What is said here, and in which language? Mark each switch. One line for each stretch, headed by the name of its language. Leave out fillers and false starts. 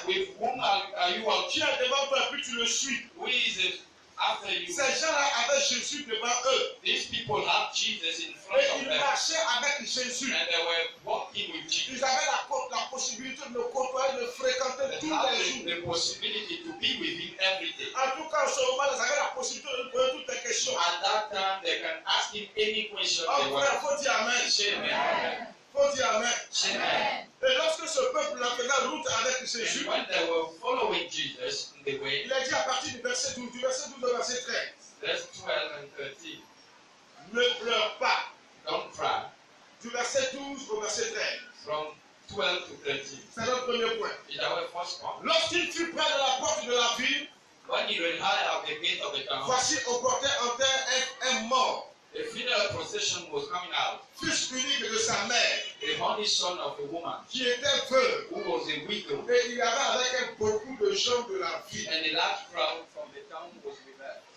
English: With whom are you walking?
French: Qui est devant toi et puis tu le suis?
English: Who is it after you?
French: Ces gens-là avaient Jésus devant eux.
English: These people have Jesus in front
French: et
English: of them.
French: Et ils marchaient avec Jésus.
English: And they were walking with Jesus.
French: Ils avaient la possibilité de le côtoyer, de le fréquenter
English: they
French: tous les jours.
English: The possibility to be with him every day.
French: En tout cas, en ce moment, ils avaient la possibilité de poser toutes les questions.
English: At that time, they can ask him any question.
French: Oh, frère, faut dire amen. Amen. Faut dire amen. Amen. Et lorsque ce peuple l'a fait la route avec Jésus,
English: when they were following Jesus in the way,
French: il a dit à partir du verset 12, au verset 13.
English: Verse 12 and 13.
French: Ne pleure pas.
English: Don't cry.
French: Du verset 12 au verset 13.
English: From 12 to 13.
French: C'est notre premier point.
English: It's our first point.
French: Lorsqu'il fut près de la porte de la ville,
English: when he went high at the gate of the town,
French: voici on portait en terre un mort.
English: A funeral procession was coming out.
French: Fils unique de sa mère,
English: a only son of a woman,
French: qui était veuve,
English: who was a widow,
French: et il y avait avec elle beaucoup de gens de la ville.
English: And a large crowd from the town was with her.